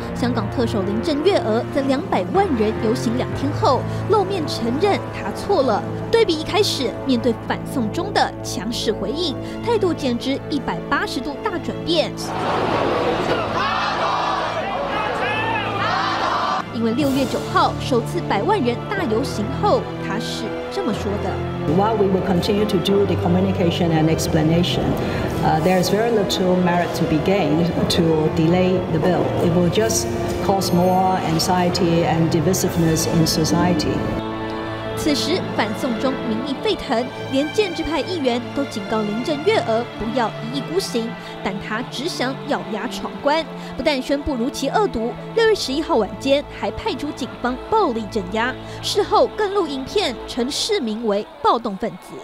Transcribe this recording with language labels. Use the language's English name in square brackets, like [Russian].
[Chinese] 香港特首林郑月娥在200万人游行2天后露面承认她错了，对比一开始面对反送中的强势回应，态度简直180度大转变。因为6月9号首次100万人大游行后，他是这么说的 [English] ：While we will continue to do the communication and explanation, there is very little merit to be gained to delay the bill. It will just cause more anxiety and divisiveness in society. [Chinese] 此时反送中民意沸腾，连建制派议员都警告林郑月娥不要一意孤行，但他只想咬牙闯关。不但宣布如期恶毒，6月11号晚间还派出警方暴力镇压，事后更录影片称市民为暴动分子，